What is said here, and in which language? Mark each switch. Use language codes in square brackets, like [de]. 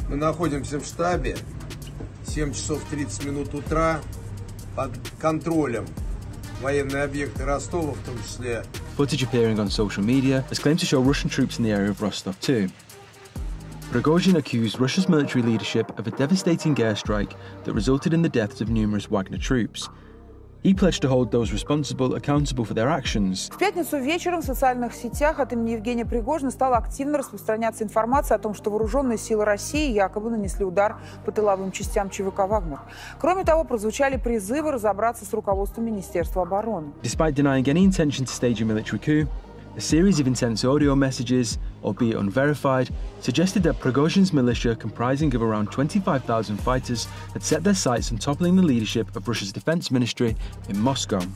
[ru] Мы находимся в штабе, 7:30 утра, под контролем военных объектов Ростова, в том числе. [en] Footage appearing on social media has claimed to show Russian troops in the area of Rostov too. Prigozhin accused Russia's military leadership of a devastating airstrike that resulted in the deaths of numerous Wagner troops. He pledged to hold those responsible accountable for their actions. [ru] В пятницу вечером в социальных сетях от имени Евгения Пригожина стала активно распространяться информация о том, что вооруженные силы России якобы нанесли удар по тыловым частям ЧВК «Вагнер». Кроме того, прозвучали призывы разобраться с руководством Министерства обороны. [en] Despite denying any intention to stage a military coup, a series of intense audio messages, albeit unverified, suggested that Prigozhin's militia, comprising of around 25,000 fighters, had set their sights on toppling the leadership of Russia's defense ministry in Moscow.